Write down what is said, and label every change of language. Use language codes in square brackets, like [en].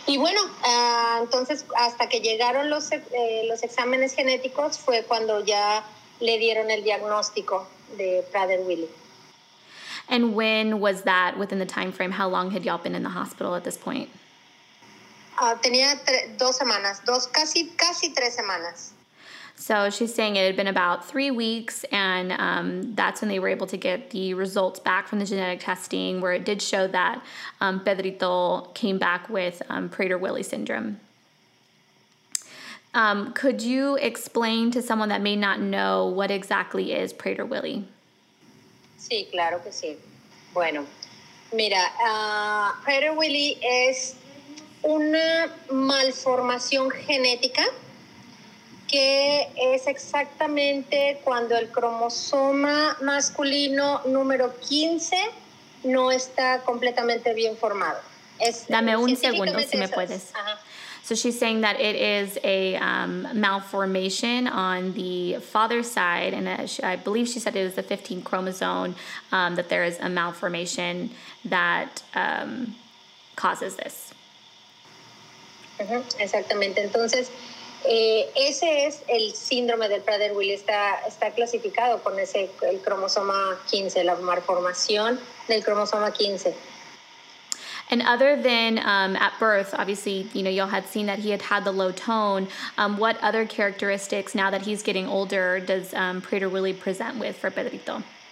[es] Y bueno, entonces hasta que llegaron los exámenes genéticos fue cuando ya le dieron el diagnóstico de Prader Willi. [en] And when was that within the time frame? How long had y'all been in the hospital at this point? [es] Tenía 2 semanas, casi 3 semanas. [en] So she's saying it had been about 3 weeks, and that's when they were able to get the results back from the genetic testing, where it did show that Pedrito came back with Prader Willi syndrome. Could you explain to someone that may not know what exactly is Prader Willi? [es] Sí, claro que sí. Bueno, mira, Prader Willi es una malformación genética que es exactamente cuando el cromosoma masculino número 15 no está completamente bien formado. Dame un segundo, si me puedes. [en] So she's saying that it is a malformation on the father's side, and I believe she said it was the 15 chromosome, that there is a malformation that causes this. [es] Uh-huh. Exactamente. Entonces, ese es el síndrome del Prader-Willi, está clasificado con ese, el cromosoma 15, la malformación del cromosoma 15. [en] And other than at birth, obviously, you know, y'all had seen that he had had the low tone, what other characteristics, now that he's getting older, does Prader-Willi present with for Pedrito?